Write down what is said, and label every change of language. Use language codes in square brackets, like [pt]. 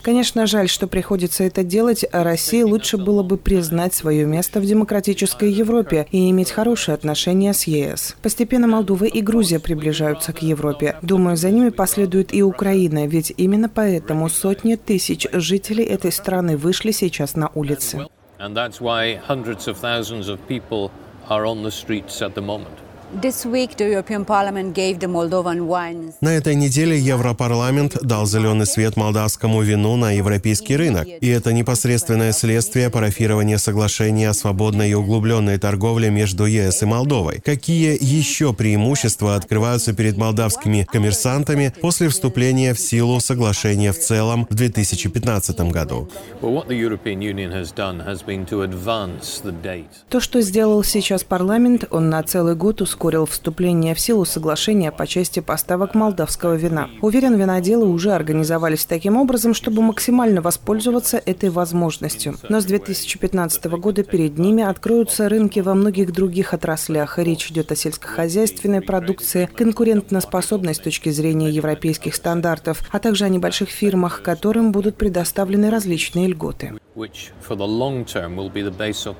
[ru] Конечно, жаль, что приходится это делать, а России лучше было бы признать свое место в демократической Европе и иметь хорошие отношения с ЕС. Постепенно Молдова и Грузия приближаются к Европе. Думаю, за ними последует и Украина, ведь именно поэтому сотни тысяч жителей этой страны вышли сейчас на улицы. [en] And that's why hundreds of thousands of people are on the streets at the moment. This week the European Parliament gave the Moldovan wine. [ru] На этой неделе Европарламент дал зеленый свет молдавскому вину на европейский рынок. И это непосредственное следствие парафирования соглашения о свободной и углубленной торговле между ЕС и Молдовой. Какие еще преимущества открываются перед молдавскими коммерсантами после вступления в силу соглашения в целом в 2015 году? [en] Well, what the European Union has done has been to advance the date. [ru] То, что сделал сейчас парламент, он на целый год ускорил ускорил вступление в силу соглашения по части поставок молдавского вина. Уверен, виноделы уже организовались таким образом, чтобы максимально воспользоваться этой возможностью. Но с 2015 года перед ними откроются рынки во многих других отраслях. Речь идет о сельскохозяйственной продукции, конкурентоспособной с точки зрения европейских стандартов, а также о небольших фирмах, которым будут предоставлены различные льготы. [en] Which for the long term will be the base of